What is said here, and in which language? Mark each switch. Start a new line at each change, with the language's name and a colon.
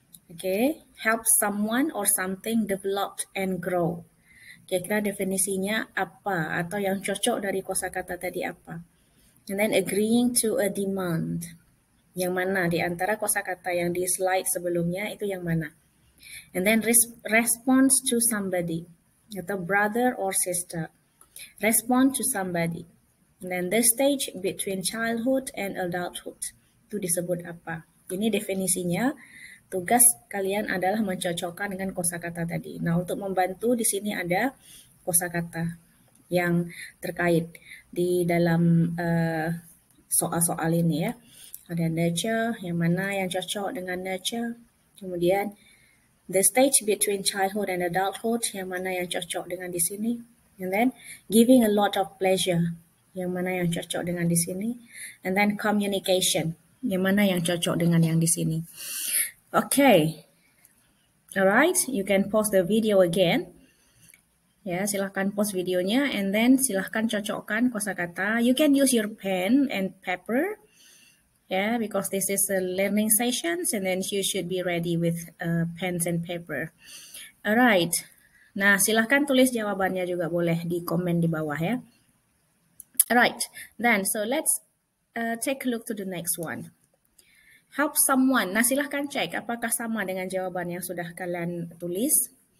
English: Okay, help someone or something develop and grow.
Indonesian: Kira-kira definisinya apa atau yang cocok dari kosakata tadi apa?
English: And then agreeing to a demand.
Indonesian: Yang mana di antara kosakata yang di slide sebelumnya itu yang mana?
English: And then response to somebody, atau brother or sister. Respond to somebody. And then the stage between childhood and adulthood.
Indonesian: Itu disebut apa? Ini definisinya. Tugas kalian adalah mencocokkan dengan kosakata tadi. Nah, untuk membantu di sini ada kosakata yang terkait di dalam soal-soal ini ya. Ada nature, yang mana yang cocok dengan nature. Kemudian
English: the stage between childhood and adulthood,
Indonesian: yang mana yang cocok dengan di sini.
English: And then giving a lot of pleasure,
Indonesian: yang mana yang cocok dengan di sini.
English: And then communication,
Indonesian: yang mana yang cocok dengan yang di sini.
English: Okay, alright, you can pause the video again.
Indonesian: Ya, silahkan pause videonya
English: and then
Indonesian: silahkan cocokkan kosakata.
English: You can use your pen and paper Yeah, because this is a learning session, and then you should be ready with pens and paper. Alright.
Indonesian: Nah, silahkan tulis jawabannya juga boleh di komen di bawah ya. Alright.
English: Then, so let's take a look to the next one. Help someone.
Indonesian: Nah, silahkan cek apakah sama dengan jawaban yang sudah kalian tulis.